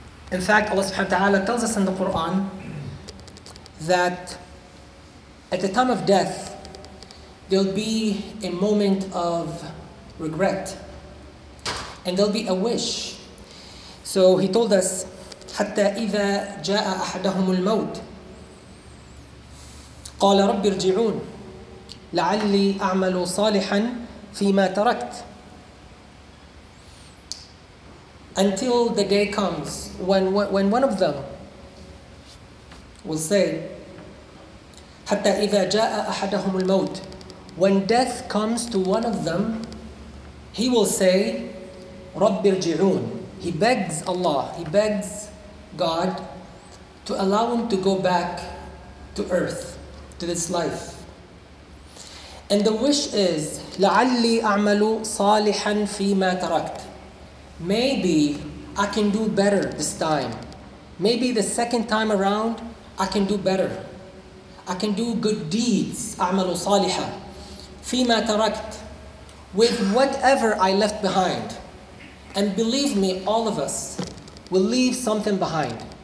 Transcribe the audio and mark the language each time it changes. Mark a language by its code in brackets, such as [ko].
[en] In fact, Allah subhanahu wa ta'ala tells us in the Quran that at the time of death, there'll be a moment of regret and there'll be a wish. So He told us, [ar] حَتَّى إِذَا جَاءَ أَحَدَهُمُ الْمَوْتِ قَالَ رَبِّ ارْجِعُونَ لَعَلِّي أَعْمَلُ صَالِحًا فِي مَا تَرَكْتِ. [en] Until the day comes when one of them will say, [ar] حَتَّى إِذَا جَاءَ أَحَدَهُمُ الْمَوْتِ, [en] when death comes to one of them, he will say, [ar] رَبِّ ارْجِعُونَ. [en] He begs Allah, he begs God to allow him to go back to earth, to this life. And the wish is, [ar] لَعَلِّي أَعْمَلُ صَالِحًا فِي مَا تَرَكْتِ. [en] Maybe I can do better this time. Maybe the second time around, I can do better. I can do good deeds, [ar] أَعْمَلُ صَالِحًا فِي مَا تَرَكْتِ, [en] with whatever I left behind. And believe me, all of us will leave something behind.